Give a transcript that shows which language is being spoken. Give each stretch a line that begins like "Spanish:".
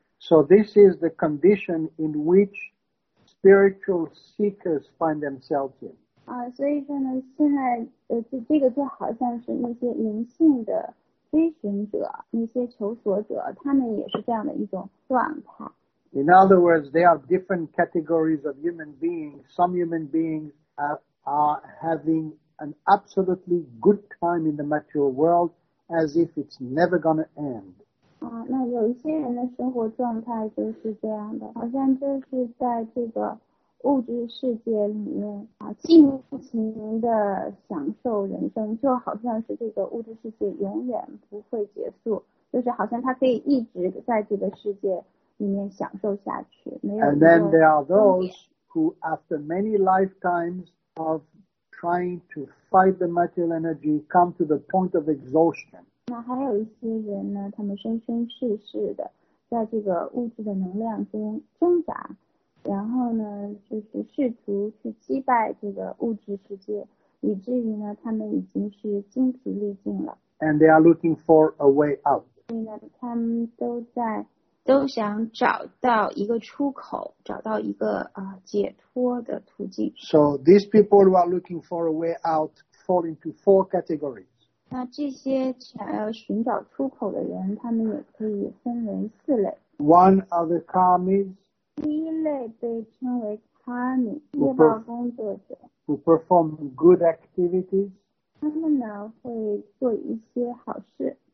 English: So this is the condition in which spiritual seekers find themselves in.
Chinese: 所以说呢，现在这个就好像是那些灵性的追寻者，那些求索者，他们也是这样的一种状态。
English: In other words, there are different categories of human beings. Some human beings are having an absolutely good time in the material world as if it's never going to end.
Chinese: 那有一些人的生活状态就是这样的，好像就是在这个物质世界里面尽情的享受人生，就好像是这个物质世界永远不会结束，就是好像他可以一直在这个世界
English: And then there are those who, after many lifetimes of trying to fight the material energy, come to the point of exhaustion.
Chinese: 那还有一些人呢，他们生生世世的在这个物质的能量中挣扎，然后呢，就是试图去击败这个物质世界，以至于呢，他们已经是精疲力尽了。
English: And they are looking for a way out.
Chinese: 所以呢，他们都想找到一个出口，找到一个解脱的途径。
English: So these people who are looking for a way out fall into four categories.
Chinese: 那这些想要寻找出口的人，他们也可以分为四类。
English: One are the karmis.
Chinese: 第一类被称为 karmi， 业报工作者。
English: Who perform good activities.
Chinese: 他们呢会做一些好事。